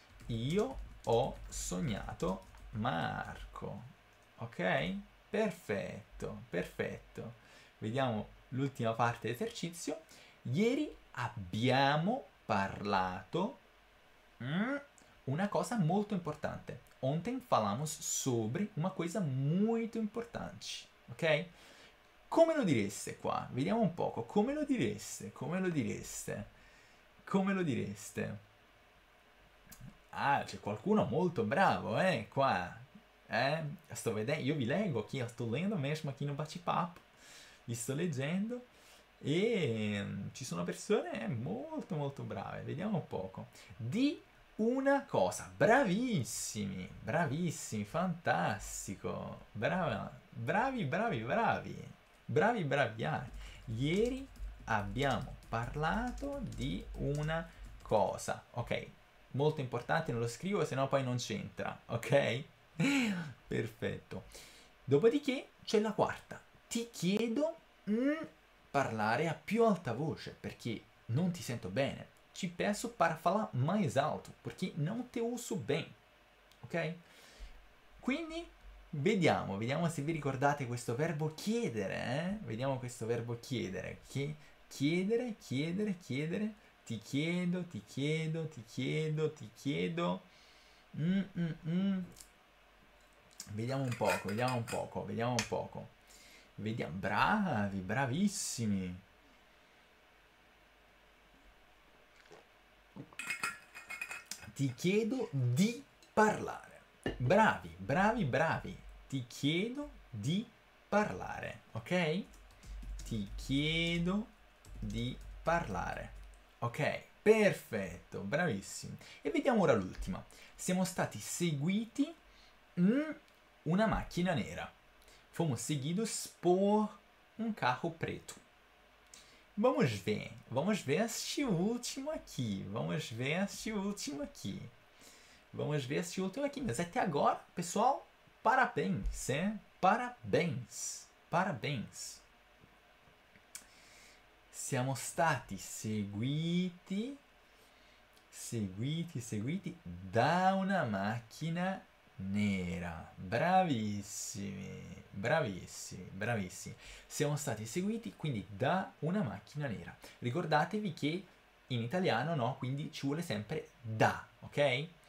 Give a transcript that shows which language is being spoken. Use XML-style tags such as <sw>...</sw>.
<it>Io ho sognato Marco, ok? Perfetto, perfetto. Vediamo l'ultima parte dell'esercizio. Ieri abbiamo parlato una cosa molto importante.</it> <pt>Ontem falamos sobre uma coisa muito importante, ok?</pt> <it>Come lo direste qua? Vediamo un poco. Come lo direste? Come lo direste? Come lo direste? Ah, c'è qualcuno molto bravo, qua. Sto vedendo, io vi leggo qui, sto</it> <pt>lendo mesmo qui no bate-papo.</pt> <it>Vi sto leggendo. E ci sono persone molto molto brave. Vediamo un poco. Di una cosa, bravissimi, bravissimi, fantastico, brava, bravi, bravi, bravi, bravi, bravi. Ieri abbiamo parlato di una cosa, ok? Molto importante, non lo scrivo, sennò poi non c'entra, ok? Perfetto. Dopodiché c'è la quarta. Ti chiedo parlare a più alta voce perché non ti sento bene.</it> <pt>Ti peço para falar mais alto, porque não te ouço bem. Ok?</pt> <it>Quindi, vediamo, vediamo se vi ricordate questo verbo chiedere, eh? Vediamo questo verbo chiedere. Chiedere, chiedere, chiedere. Ti chiedo, ti chiedo, ti chiedo, ti chiedo. Vediamo un poco, vediamo un poco, vediamo un poco. Vediamo, bravi, bravissimi. Ti chiedo di parlare. Bravi, bravi, bravi. Ti chiedo di parlare, ok? Ti chiedo di parlare. Ok, perfetto, bravissimi. E vediamo ora l'ultima. Siamo stati seguiti una macchina nera.</it> <pt>Fomos seguidos por un carro preto. Vamos ver este último aqui. Vamos ver este último aqui. Vamos ver este último aqui. Mas até agora, pessoal, parabéns, hein? Parabéns, parabéns.</pt> <it>Siamo stati seguiti, seguiti, seguiti da una macchina nera. Bravissimi, bravissimi, bravissimi. Siamo stati seguiti quindi da una macchina nera. Ricordatevi che in italiano no, quindi ci vuole sempre da, ok?</it>